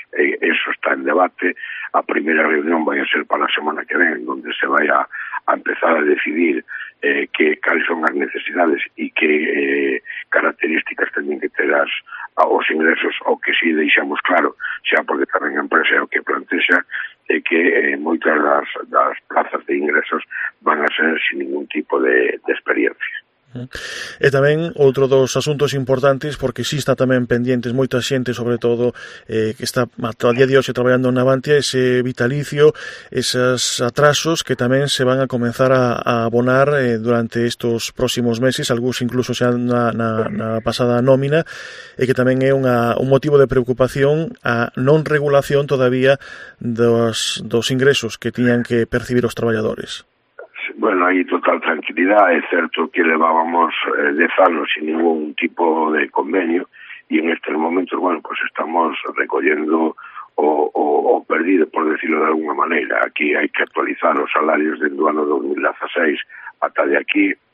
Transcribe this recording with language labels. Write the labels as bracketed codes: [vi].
[es] Eso está en debate. La primera reunión va a ser para la semana que viene, donde se vaya a empezar a decidir cuáles son las necesidades y qué características tienen que tener los ingresos, o que si dejamos claro, sea porque también la empresa o que plantea, que muchas de las plazas de ingresos van a ser sin ningún tipo de experiencia. [gl] E tamén outro dos asuntos importantes, porque si sí está tamén pendientes moita xente, sobre todo que está a día de hoxe traballando en Navantia, ese vitalicio, esas atrasos que tamén se van a comenzar a abonar durante estos próximos meses, algúns incluso xa na pasada nómina, e que tamén é un motivo de preocupación a non regulación todavía dos ingresos que tiñan que percibir os traballadores. [es] Bueno, hay total tranquilidad. Es cierto que llevábamos 10 años sin ningún tipo de convenio y en este momento, bueno, pues estamos recogiendo o perdido, por decirlo de alguna manera. Aquí hay que actualizar los salarios del año 2016 hasta de aquí.